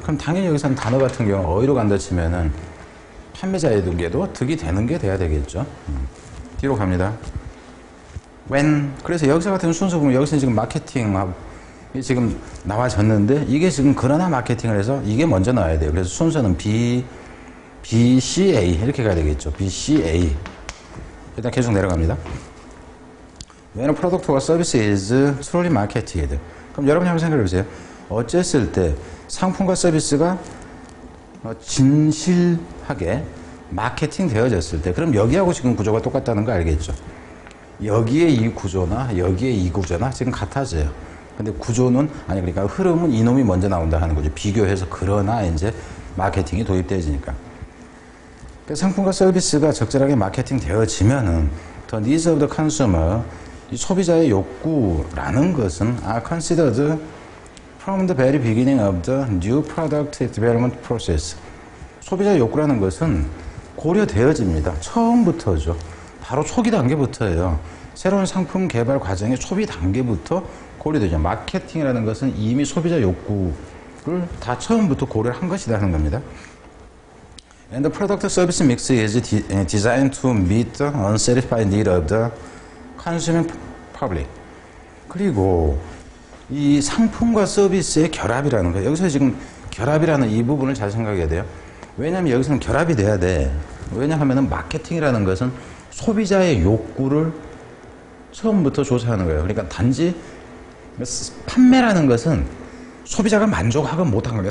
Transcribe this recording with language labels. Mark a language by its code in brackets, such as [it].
[ko] 그럼 당연히 여기서는 단어 같은 경우 어휘로 간다 치면은 판매자에게도 득이 되는 게 돼야 되겠죠. 뒤로 갑니다. When 그래서 여기서 같은 순서 보면 여기서 지금 마케팅하고 이게 지금 나와졌는데 이게 지금 그러나 마케팅을 해서 이게 먼저 나와야 돼요. 그래서 순서는 BCA 이렇게 가야 되겠죠. BCA 일단 계속 내려갑니다. [en] When a product or service is truly marketed. [ko] 그럼 여러분이 한번 생각해 보세요. 어쨌을 때 상품과 서비스가 진실하게 마케팅 되어졌을 때 그럼 여기하고 지금 구조가 똑같다는 거 알겠죠. 여기에 이 구조나 여기에 이 구조나 지금 같아져요. 근데 구조는 아니 그러니까 흐름은 이놈이 먼저 나온다 하는 거죠. 비교해서 그러나 이제 마케팅이 도입되어지니까 상품과 서비스가 적절하게 마케팅 되어지면은 [en] the needs of the consumer [ko] 이 소비자의 욕구라는 것은 [en] are considered from the very beginning of the new product development process. [ko] 소비자의 욕구라는 것은 고려되어집니다. 처음부터죠. 바로 초기 단계부터예요. 새로운 상품 개발 과정의 초기 단계부터 고려되죠. 마케팅이라는 것은 이미 소비자 욕구를 다 처음부터 고려를 한 것이다 하는 겁니다. [en] And the product service mix is designed to meet the unsatisfied need of the consuming public. [ko] 그리고 이 상품과 서비스의 결합이라는 거예요. 여기서 지금 결합이라는 이 부분을 잘 생각해야 돼요. 왜냐하면 여기서는 결합이 돼야 돼. 왜냐하면은 마케팅이라는 것은 소비자의 욕구를 처음부터 조사하는 거예요. 그러니까 단지 판매라는 것은 소비자가 만족하건 못한 거예요.